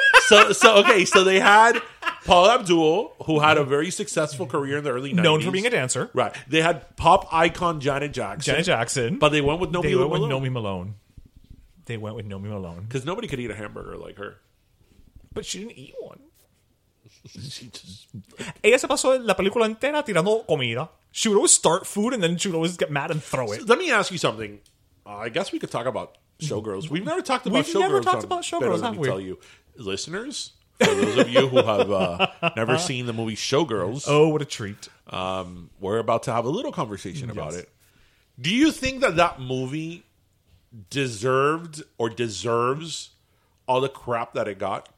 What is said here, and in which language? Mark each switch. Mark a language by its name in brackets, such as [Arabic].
[English] So they had Paula Abdul, who had a very successful career in the early 90s. Known for being a dancer. Right. They had pop icon Janet Jackson. Janet Jackson. But they went with Naomi Malone. They went with Naomi Malone. Because nobody could eat a hamburger like her. But she didn't eat one. [Spanish] Ella se pasó la película entera tirando comida. [English] She would always start food and then she would always get mad and throw it. So let me ask you something. I guess we could talk about Showgirls. We've never talked about Showgirls, have we? Let me tell you. Listeners, for those of you who have never seen the movie Showgirls. Oh, what a treat. We're about to have a little conversation about it. Do you think that movie deserved or deserves all the crap that it got?